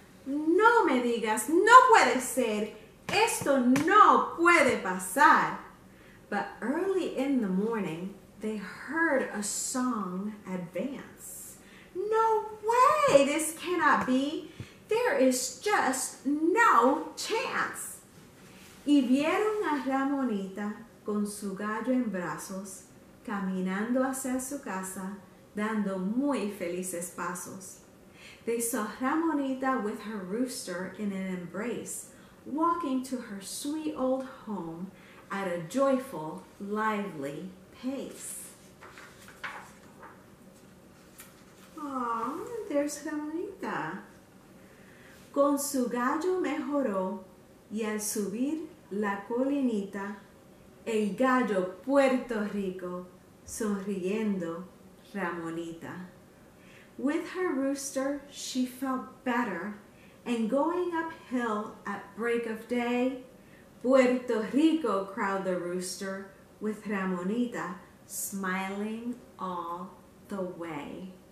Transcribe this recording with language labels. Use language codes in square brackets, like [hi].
[es] No me digas, no puede ser, esto no puede pasar. [en] But early in the morning, they heard a song advance. No way, this cannot be. There is just no chance. [es] Y vieron a Ramonita con su gallo en brazos, caminando hacia su casa, dando muy felices pasos. [en] They saw Ramonita with her rooster in an embrace, walking to her sweet old home, at a joyful, lively pace. Aw, there's Ramonita. [es] Con su gallo mejoró, y al subir la colinita, el gallo Puerto Rico, sonriendo, Ramonita. [en] With her rooster, she felt better, and going uphill at break of day, Puerto Rico, crowed the rooster, with Ramonita smiling all the way.